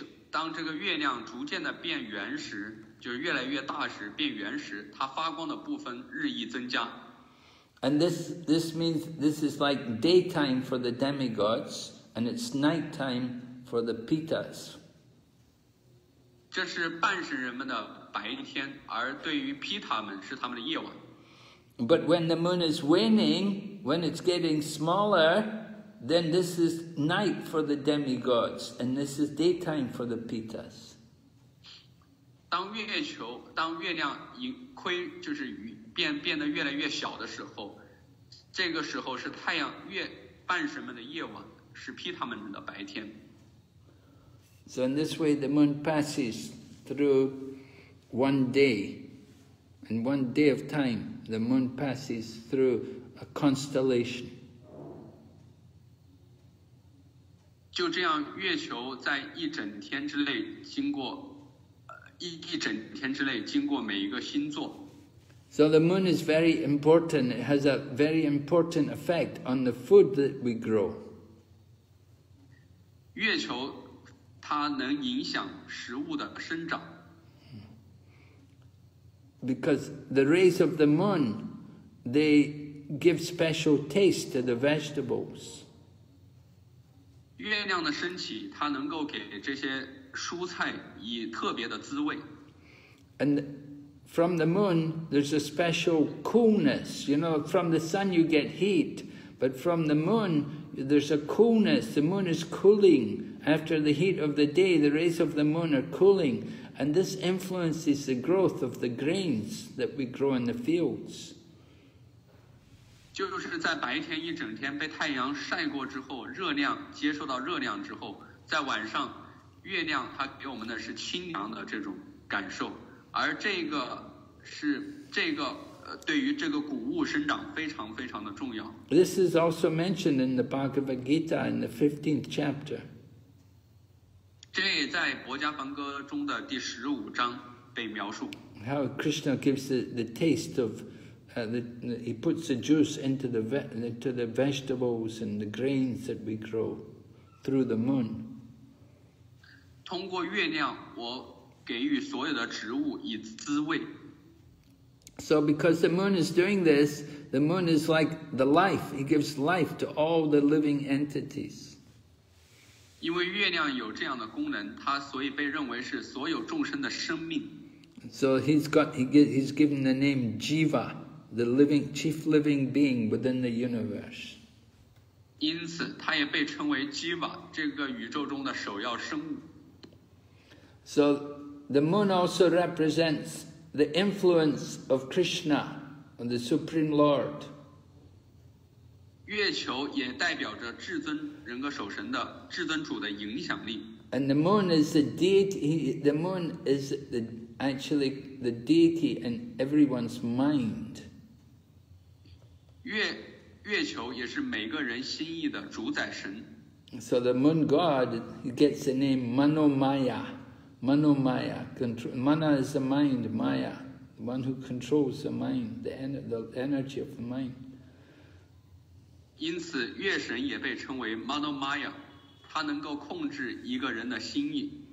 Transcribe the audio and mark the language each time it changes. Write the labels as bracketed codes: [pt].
[zh] 当这个月亮逐渐的变圆时，就是越来越大时，变圆时，它发光的部分日益增加。 [en] And this means this is like daytime for the demigods, and it's nighttime for the pitas. [zh] 这是半神人们的白天，而对于毗塔们是他们的夜晚。 [en] But when the moon is waning, when it's getting smaller, then this is night for the demigods, and this is daytime for the pitas. [zh] 当月亮就是变得越来越小的时候，这个时候是太阳月半神们的夜晚，是毗塔们的白天。 [en] So in this way, the moon passes through one day. In one day of time, the moon passes through a constellation. [zh] 就这样，月球在一整天之内经过，一整天之内经过每一个星座。 [en] So the moon is very important. It has a very important effect on the food that we grow. [zh] 月球它能影响食物的生长。 [en] Because the rays of the moon, they give special taste to the vegetables. [zh] 月亮的升起，它能够给这些蔬菜以特别的滋味。 [en] And from the moon, there's a special coolness. You know, from the sun you get heat, but from the moon, there's a coolness. The moon is cooling. After the heat of the day, the rays of the moon are cooling, and this influences the growth of the grains that we grow in the fields. [zh] 就是在白天一整天被太阳晒过之后，热量接受到热量之后，在晚上，月亮它给我们的是清凉的这种感受，而这个是这个对于这个谷物生长非常非常的重要。 [en] This is also mentioned in the Bhagavad Gita in the 15th chapter. [zh] 这也在博迦梵歌中的第十五章被描述。 [en] How Krishna gives the taste of he puts the juice into the vegetables and the grains that we grow through the moon. [zh] 通过月亮，我给予所有的植物以滋味。 [en] So because the moon is doing this, the moon is like the life. It gives life to all the living entities. [zh] 因为月亮有这样的功能，它所以被认为是所有众生的生命。 [en] So he's given the name Jiva, the living, chief living being within the universe. [zh] 因此，它也被称为 Jiva, 这个宇宙中的首要生物。 [en] So the moon also represents. The influence of Krishna, on the Supreme Lord. [zh] 月球也代表着至尊人格守神的至尊主的影响力。 [en] And the moon is the deity. The moon is the actually the deity in everyone's mind. [zh] 月球也是每个人心意的主宰神。 [en] So the moon god gets the name Manomaya. Manomaya, mana is the mind, Maya, the one who controls the mind, the energy of the mind. [zh] 因此，月神也被称为 Manomaya, 他能够控制一个人的心意。